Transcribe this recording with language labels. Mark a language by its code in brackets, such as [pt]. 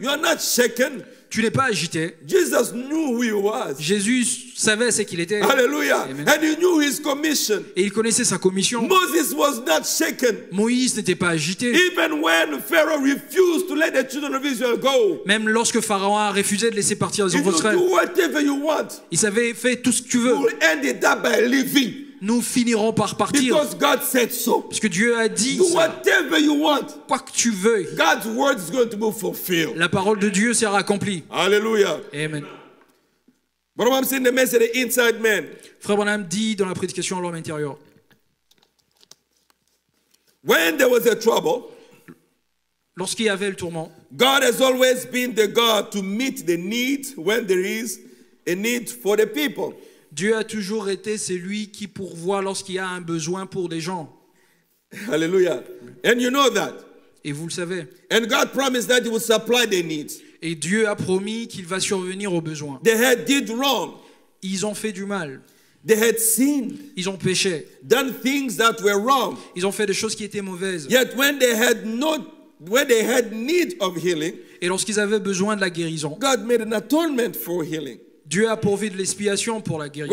[en] You are not shaken. [fr] Tu n'es pas agité. [en] Jesus knew who he was. [fr] Jésus savait ce qu'il était. [en] Hallelujah. And he knew his commission. [fr] Et il connaissait sa commission. [en] Moses was not shaken. [fr] Moïse n'était pas agité. [en] Even when Pharaoh refused to let the children of Israel go. [fr] Même lorsque Pharaon a refusé de laisser partir les enfants d'Israël. [en] He knew whatever you want. [fr] Il savait fait tout ce que tu veux. [en] We'll end it up by leaving. [fr] Nous finirons par partir. [en] Because God said so. [fr] Parce que Dieu a dit ça. [en] Whatever you want, [fr] quoi que tu veuilles. [en] God's word is going to be fulfilled. [fr] La parole de Dieu sera accomplie. Alléluia. Amen. Frère Branham dit dans la prédication [en] inside man. [fr] Frère Branham dit dans la prédication à l'homme intérieur. [en] When there was a trouble, [fr] lorsqu'il y avait le tourment, [en] God has always been the God to meet the need when there is a need for the people. [fr] Dieu a toujours été celui qui pourvoit lorsqu'il y a un besoin pour des gens. [en] Alléluia. And you know that. [fr] Et vous le savez. [en] And God promised that he would supply their needs. [fr] Et Dieu a promis qu'il va survenir aux besoins. [en] They had did wrong. [fr] Ils ont fait du mal. [en] They had sinned. [fr] Ils ont péché. [en] Done things that were wrong. [fr] Ils ont fait des choses qui étaient mauvaises. [en] Yet when they had not, when they had need of healing. [fr] Et lorsqu'ils avaient besoin de la guérison. [en] God made an atonement for healing. [fr] Dieu a pourvu de l'expiation pour la guérison.